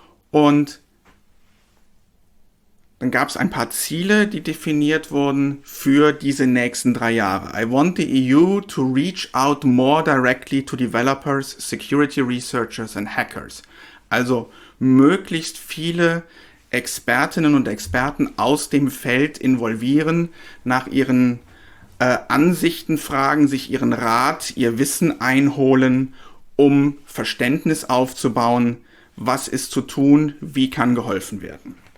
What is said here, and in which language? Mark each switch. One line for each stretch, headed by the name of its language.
German: Und dann gab es ein paar Ziele, die definiert wurden für diese nächsten 3 Jahre.
English: I want the EU to reach out more directly to developers, security researchers and hackers.
German: Also möglichst viele Expertinnen und Experten aus dem Feld involvieren, nach ihren Ansichten fragen, sich ihren Rat, ihr Wissen einholen, um Verständnis aufzubauen, was ist zu tun, wie kann geholfen werden.